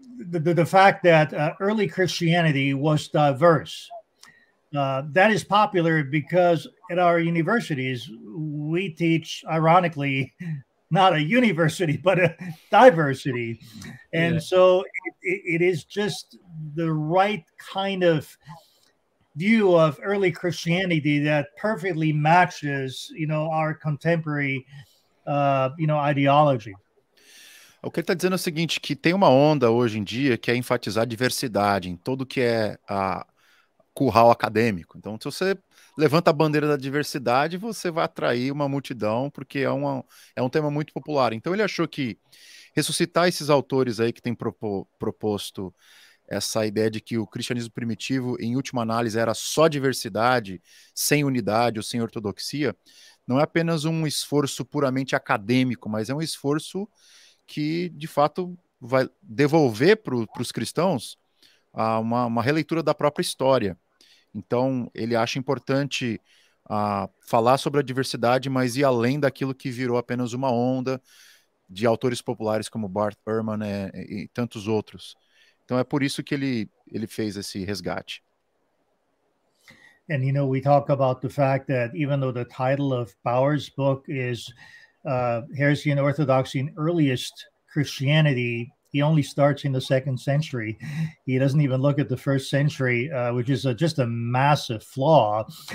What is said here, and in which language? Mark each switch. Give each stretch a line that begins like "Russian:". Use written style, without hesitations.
English: The fact that early Christianity was diverse, that is popular because at our universities, we teach, ironically, not a university, but a diversity. And yeah. So it is just the right kind of view of early Christianity that perfectly matches, you know, our contemporary, you know, ideology.
Portuguese: O que ele está dizendo é o seguinte, que tem uma onda hoje em dia que é enfatizar a diversidade em tudo que é a curral acadêmico. Então, se você levanta a bandeira da diversidade, você vai atrair uma multidão, porque é um tema muito popular. Então, ele achou que ressuscitar esses autores aí que têm proposto essa ideia de que o cristianismo primitivo, em última análise, era só diversidade, sem unidade ou sem ortodoxia, não é apenas um esforço puramente acadêmico, mas é um esforço que, de fato, vai devolver para os cristãos uma releitura da própria história. Então, ele acha importante falar sobre a diversidade, mas ir além daquilo que virou apenas uma onda de autores populares como Bart Ehrman e tantos outros. Então, é por isso que ele fez esse resgate.
English: And, you know, we talk about the fact that even though the title of Bauer's book is Heresy and Orthodoxy in Earliest Christianity, he only starts in the second century. He doesn't even look at the first century, which is just a massive flaw.